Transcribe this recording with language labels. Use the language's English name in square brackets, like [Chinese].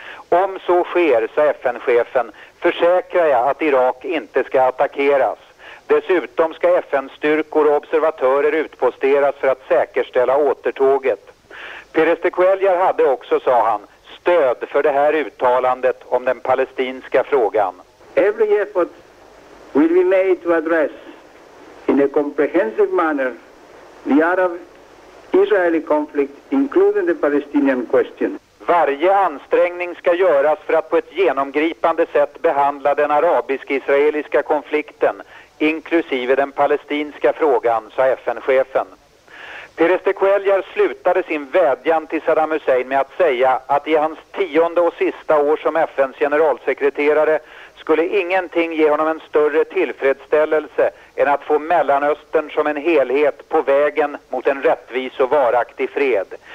[Swedish] Om så sker, sa FN-chefen, försäkrar jag att Irak inte ska attackeras. Dessutom ska FN-styrkor och observatörer utposteras för att säkerställa återtåget. Pérez de Cuellar hade också, sa han, stöd för det här uttalandet om den palestinska frågan. [English] Every effort will be made to address in a comprehensive manner the Arab-Israeli conflict, including the Palestinian question. [Swedish] Varje ansträngning ska göras för att på ett genomgripande sätt behandla den arabisk-israeliska konflikten, inklusive den palestinska frågan, sa FN-chefen. Pérez de Cuellar slutade sin vädjan till Saddam Hussein med att säga att i hans 10:e och sista år som FNs generalsekreterare skulle ingenting ge honom en större tillfredsställelse än att få Mellanöstern som en helhet på vägen mot en rättvis och varaktig fred.